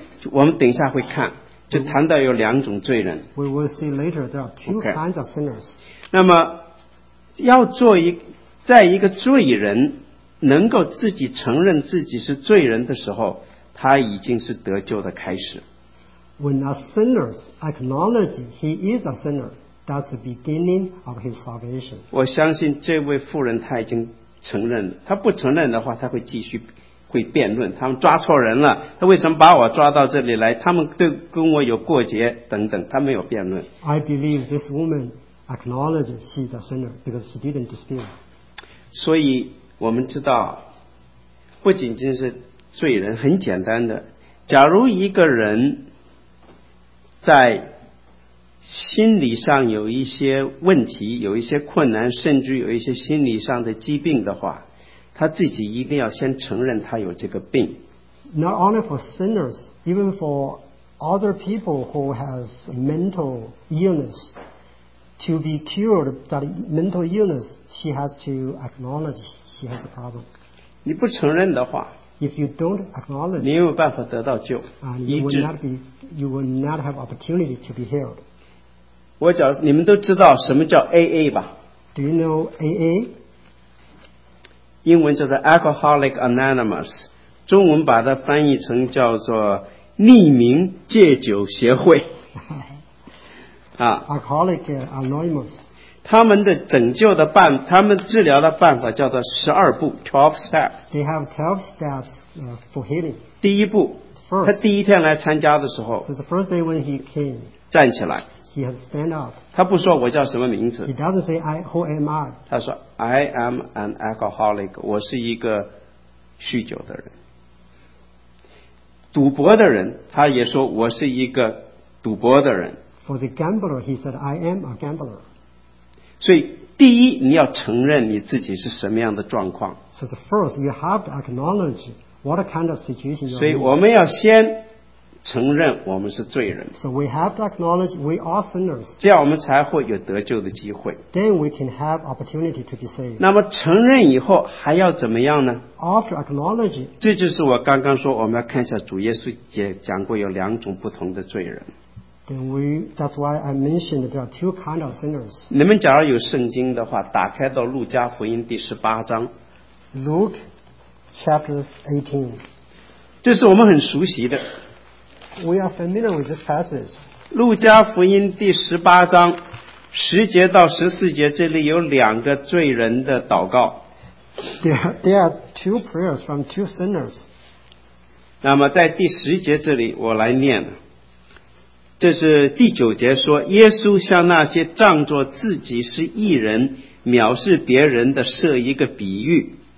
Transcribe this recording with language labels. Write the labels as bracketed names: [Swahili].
[Chinese] 我们等一下会看，就谈到有两种罪人。 [English] We will see later there are two kinds of sinners. [Chinese] 那么，要做一，在一个罪人能够自己承认自己是罪人的时候，他已经是得救的开始。 [English] When a sinner acknowledges he is a sinner, that's the beginning of his salvation. [Chinese] 我相信这位妇人他已经承认了，他不承认的话，他会继续。会辩论，他们抓错人了，他为什么把我抓到这里来，他们都跟我有过节等等，他没有辩论。 [English] I believe this woman acknowledges she's a sinner because she didn't dispute. [Chinese] 所以我们知道不仅仅是罪人，很简单的，假如一个人在心理上有一些问题，有一些困难，甚至有一些心理上的疾病的话，他自己一定要先承认他有这个病。 [English] Not only for sinners, even for other people who has mental illness, to be cured that mental illness, she has to acknowledge she has a problem. [Chinese] 你不承认的话， [English] if you don't acknowledge, [Chinese] 你有办法得到救， [English] you will not have opportunity to be healed. [Chinese] 我讲，你们都知道什么叫 AA 吧？ [English] Do you know AA? [Chinese] 英文叫做 Alcoholic Anonymous， 中文把它翻译成叫做匿名戒酒协会。 [English] Alcoholic Anonymous， [Chinese] 他们的拯救的办，他们治疗的办法叫做十二步 12 step。 [English] They have 12 steps for healing。 [Chinese] 第一步， [English] first, [Chinese] 他第一天来参加的时候， [English] so、the first day when he came， [Chinese] 站起来。 [English] He has stand up. [Chinese] 他不说我叫什么名字。 [English] He doesn't say who am I. [Chinese] 他说 [English] I am an alcoholic. [Chinese] 我是一个酗酒的人，赌博的人。他也说我是一个赌博的人。 [English] For the gambler, he said I am a gambler. [Chinese] 所以第一，你要承认你自己是什么样的状况。 [English] So the first, you have to acknowledge what kind of situation you're in. [Chinese] 所以我们要先承认我们是罪人。 [English] So we have to acknowledge we are sinners. [Chinese] 这样我们才会有得救的机会。 [English] Then we can have opportunity to be saved. [Chinese] 那么承认以后还要怎么样呢？ [English] After acknowledging, [Chinese] 这就是我刚刚说我们要看一下主耶稣讲过有两种不同的罪人。 [English] Then we, that's why I mentioned there are two kinds of sinners. [Chinese] 你们假如有圣经的话，打开到路加福音第十八章。 [English] Luke chapter 18. [Chinese] 这是我们很熟悉的。 [English] We are familiar with this passage. [Chinese] 路加福音第十八章十节到十四节，这里有两个罪人的祷告。 [English] There are two prayers from two sinners. [Chinese] 那么在第十节这里，我来念。这是第九节说，耶稣向那些仗着自己是义人、藐视别人的设一个比喻。